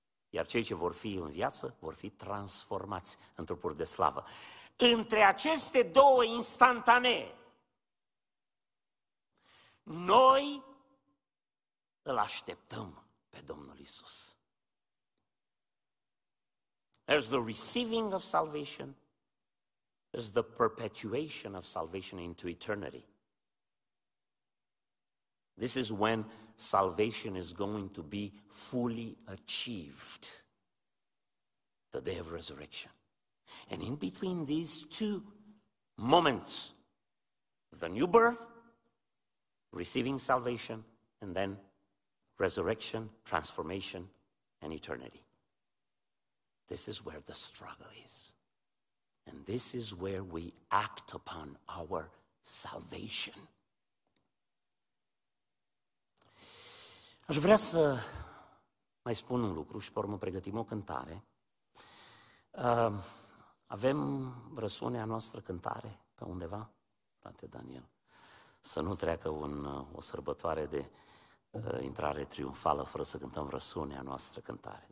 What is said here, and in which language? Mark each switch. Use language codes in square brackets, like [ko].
[ro] Iar cei ce vor fi în viață vor fi transformați în trupuri de slavă. Între aceste două instantanee, noi îl așteptăm pe Domnul Iisus. [en] There's the receiving of salvation, there's the perpetuation of salvation into eternity. This is when salvation is going to be fully achieved, the day of resurrection. And in between these two moments, the new birth, receiving salvation, and then resurrection, transformation, and eternity. This is where the struggle is. And this is where we act upon our salvation. [ro] Aș vrea să mai spun un lucru și pe urmă pregătim o cântare. Avem răsunea noastră cântare pe undeva, frate Daniel, să nu treacă o sărbătoare de intrare triumfală fără să cântăm răsunea noastră cântare.